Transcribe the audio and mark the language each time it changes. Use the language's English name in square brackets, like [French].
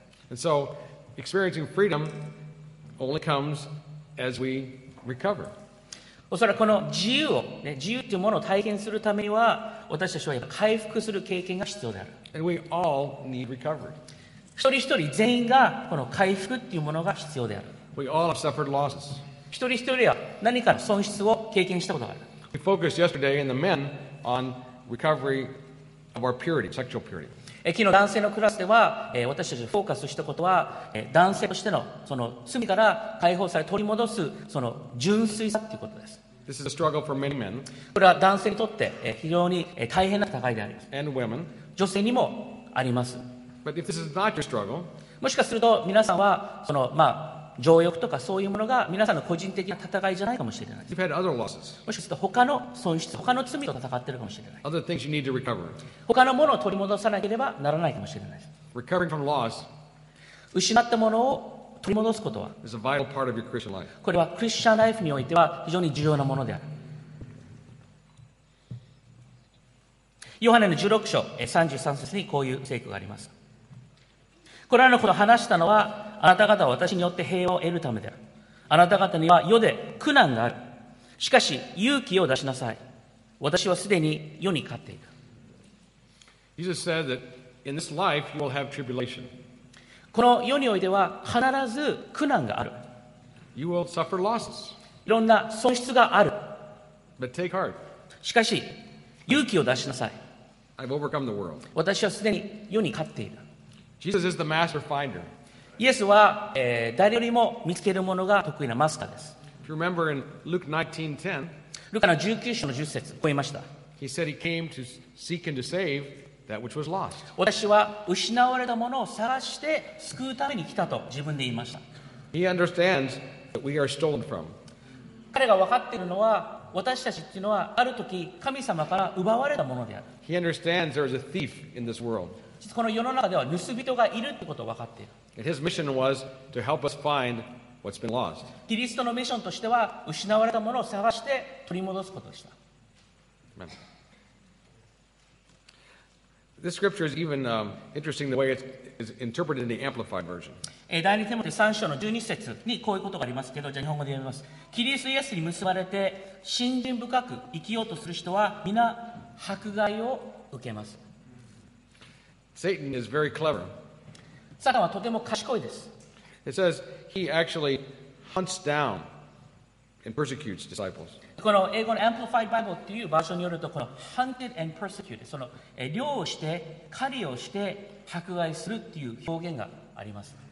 [English] And so, experiencing freedom only comes as we recover. [Japanese] おそらくこの自由を、ね、自由というものを体験するためには、私たちはやっぱ回復する経験が必要である。 [English] And we all need recovery. [Japanese] 一人一人全員がこの回復というものが必要である。 [English] We all have suffered losses. [Japanese] 一人一人は何かの損失を経験したことがある。 [English] We focused yesterday in the men on recovery of our purity, sexual purity. [Japanese] 昨日男性のクラスでは、私たちがフォーカスしたことは、男性としてのその罪から解放され取り戻すその純粋さということです。 [English] This is a struggle for many men. [Japanese] これは男性にとって非常に大変な戦いであります。 [English] And women. [Japanese] 女性にもあります。 [English] But if this is not your struggle, [Japanese] もしかすると皆さんはそのまあ情欲とかそういうものが皆さんの個人的な戦いじゃないかもしれない。 [English] You've had other losses. [Japanese] もしかすると他の損失、他の罪と戦っているかもしれない。 [English] Other things you need to recover. [Japanese] 他のものを取り戻さなければならないかもしれない。 [English] Recovering from loss. [Japanese] 失ったものを取り戻すことは。 [English] Is a vital part of your Christian life. [Japanese] これはクリスチャンライフにおいては非常に重要なものである。ヨハネの16章33節にこういう聖句があります。これらのことを話したのは、あなた方は私によって平和を得るためである。あなた方には世で苦難がある。しかし勇気を出しなさい。私はすでに世に勝っている。 [English] Jesus said that in this life you will have tribulation. [Japanese] この世においては必ず苦難がある。 [English] You will suffer losses. [Japanese] いろんな損失がある。 [English] But take heart. [Japanese] しかし勇気を出しなさい。 [English] I've overcome the world. [Japanese] 私はすでに世に勝っている。 [English] Jesus is the master finder. [Japanese] イエスは、誰よりも見つけるものが得意なマスターです。 [English] If you remember in Luke 19:10, [Japanese] ルカの19章の10節、こう言いました。 [English] He said he came to seek and to save that which was lost. [Japanese] 私は失われたものを探して救うために来たと自分で言いました。 [English] He understands that we are stolen from. [Japanese] 彼が分かっているのは、私たちっていうのはある時神様から奪われたものである。 [English] He understands there is a thief in this world. [Japanese] この世の中では盗人がいるってことを分かっている。 [English] And his mission was to help us find what's been lost. [Japanese] キリストのミッションとしては失われたものを探して取り戻すことでした。 [English] Amen. This scripture is even interesting the way it is interpreted in the Amplified version. [Japanese] 第二テモテ3章の12節にこういうことがありますけど、じゃあ日本語で読みます。キリストイエスに結ばれて信心深く生きようとする人は皆迫害を受けます。 [English] Satan is very clever. [Japanese] サタンはとても賢いです。 [English] It says he actually hunts down and persecutes disciples. [Japanese] この英語の Amplified Bible っていうバージョンによると、この [English] hunted and persecuted、 [Japanese] その猟をして狩りをして迫害するっていう表現があります。